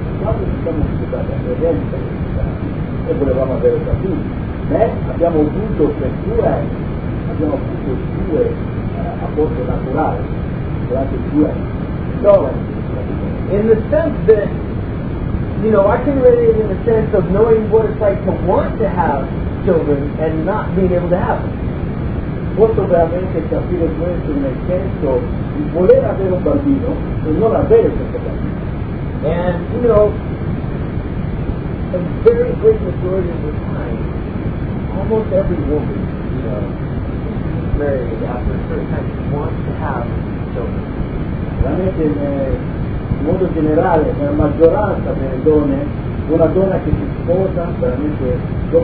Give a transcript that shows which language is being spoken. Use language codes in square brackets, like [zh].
[it] Quando ci siamo sposati a presenza e volevamo avere una figlia, beh, abbiamo avuto per due anni, abbiamo avuto due aborti naturali durante due anni. No. [en] In the sense that, you know, I can relate it in the sense of knowing what it's like to want to have children and not being able to have them. [it] Posso veramente capire questo nel senso di voler avere un bambino e non avere questo bambino. [en] And, you know, a very great majority of the time, almost every woman, you know, married after a certain time wants to have children. [it] Veramente, in modo generale, la maggioranza delle donne, una donna che si sposa veramente